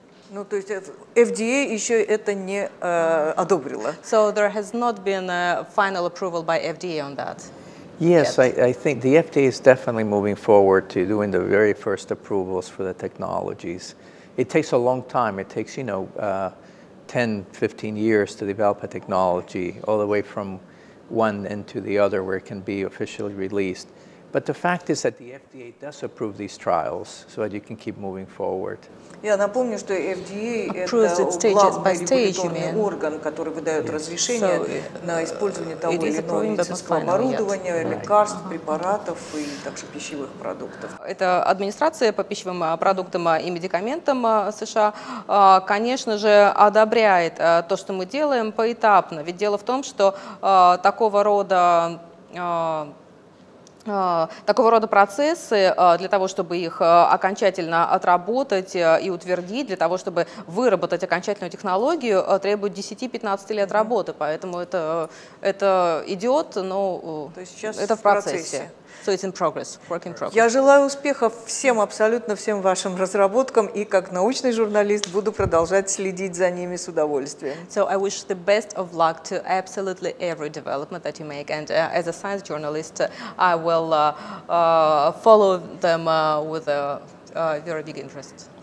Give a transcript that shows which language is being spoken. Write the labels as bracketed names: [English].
[Russian] Ну, то есть FDA еще это не одобрила. [English] So there has not been a final approval by FDA on that. Yes, I think the FDA is definitely moving forward to doing the very first approvals for the technologies. It takes a long time. It takes, you know, 10, 15 years to develop a technology all the way from one end to the other where it can be officially released. But the fact is that the FDA does approve these trials so that you can keep moving forward. [Russian] Я напомню, что [English] FDA approves [Russian] это главный регуляторный орган, который выдает разрешение на использование того или иного медицинского оборудования, лекарств, препаратов и также пищевых продуктов. Это администрация по пищевым продуктам и медикаментам США, конечно же, одобряет то, что мы делаем поэтапно. Ведь дело в том, что такого рода процессы для того, чтобы их окончательно отработать и утвердить, для того, чтобы выработать окончательную технологию, требует 10-15 лет работы. Поэтому это идет, но это в процессе. [English] So it's in progress, work in progress. [Russian] Я желаю успехов всем, абсолютно всем вашим разработкам, и как научный журналист буду продолжать следить за ними с удовольствием. [English] So I wish the best of luck to absolutely every development that you make, and as a science journalist, I will follow them with a very big interest.